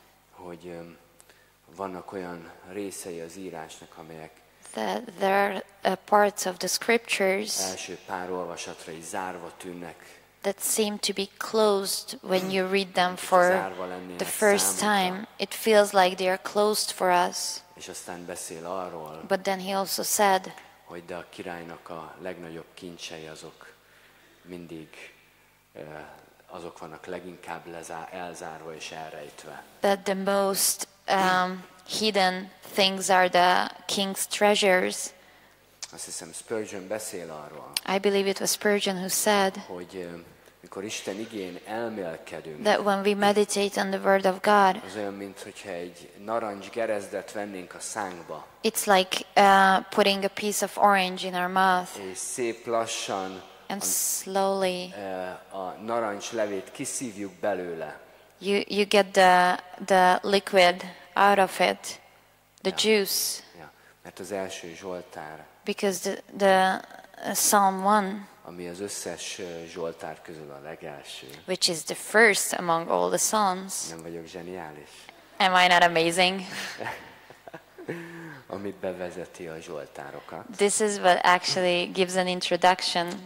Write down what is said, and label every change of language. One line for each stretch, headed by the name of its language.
Hungarian: Hogy vannak olyan részei az írásnak, amelyek
English: that there are parts of the scriptures
Hungarian: első pár olvasatra is zárva tűnnek,
English: that seem to be closed when you read them for the first time. It feels like they are closed for us.
Hungarian: És aztán beszél arról,
English: but then he also said,
Hungarian: hogy de a királynak a legnagyobb kincsei azok mindig azok vannak leginkább elzárva és elrejtve.
English: That the most hidden things are the king's treasures.
Hungarian: Azt hiszem, Spurgeon beszél arról.
English: I believe it was Spurgeon who said,
Hungarian: hogy mikor Isten igén elmélkedünk,
English: that when we meditate on the word of God,
Hungarian: az olyan, mint hogyha egy narancs gerezdet vennénk a szánkba.
English: It's like putting a piece of orange in our mouth.
Hungarian: És szép lassan,
English: and slowly,
Hungarian: a narancs levét kiszívjuk belőle.
English: You get the liquid out of it, the juice.
Hungarian: Yeah. Mert az első zsoltár.
English: Because the Psalm 1.
Hungarian: Ami az összes zsoltár közül a legelső.
English: Which is the first among all the psalms.
Hungarian: Nem vagyok zseniális.
English: Am I not amazing?
Hungarian: Ami bevezeti a zsoltárokat.
English: This is what actually gives an introduction